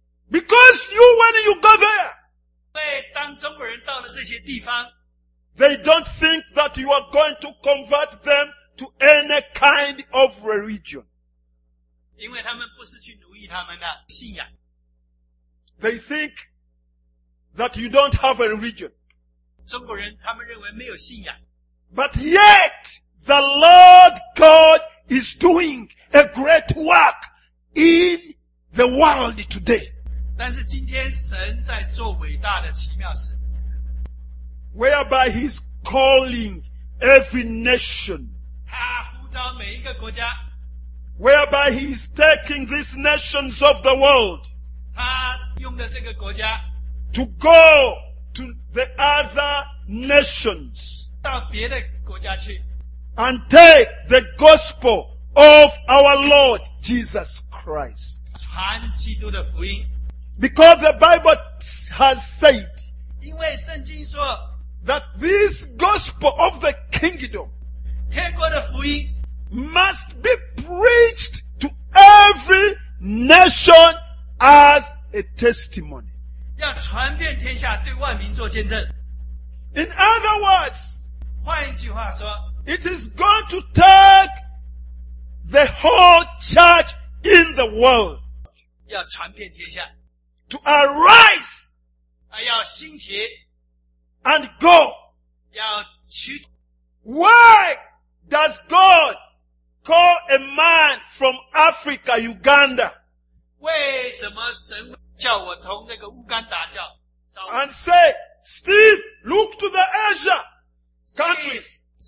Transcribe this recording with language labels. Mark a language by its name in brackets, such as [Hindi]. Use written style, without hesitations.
[English] Because you, when you go there, [Chinese] 对,当中国人到了这些地方, [English] they don't think that you are going to convert them to any kind of religion. [Chinese] 因为他们不是去奴役他们的信仰, [English] they think that you don't have a religion. [Chinese] 中国人他们认为没有信仰, [English] but yet, the Lord God is doing a great work in the world today. [Chinese] 但是今天神在做伟大的奇妙事, [English] whereby He is calling every nation, [Chinese] 他呼召每一个国家, [English] whereby He is taking these nations of the world, [Chinese] 他用的这个国家, [English] to go to the other nations, [Chinese] 到别的国家去, [English] and take the gospel of our Lord Jesus Christ. [Chinese] 传基督的福音, [English] because the Bible has said, [Chinese] 因为圣经说, [English] that this gospel of the kingdom, [Chinese] 天国的福音, [English] must be preached to every nation as a testimony. [Chinese] 要传遍天下对万民做见证。 [English] In other words, [Chinese] 换一句话说, [English] it is going to take the whole church in the world, [Chinese] 要传遍天下, [English] to arise, [Chinese] 要兴起, [English] and go. [Chinese] 要去, [English] why does God call a man from Africa, Uganda, [Chinese] 为什么神叫我从那个乌干达叫, [English] and say, Steve, look to the Asia countries.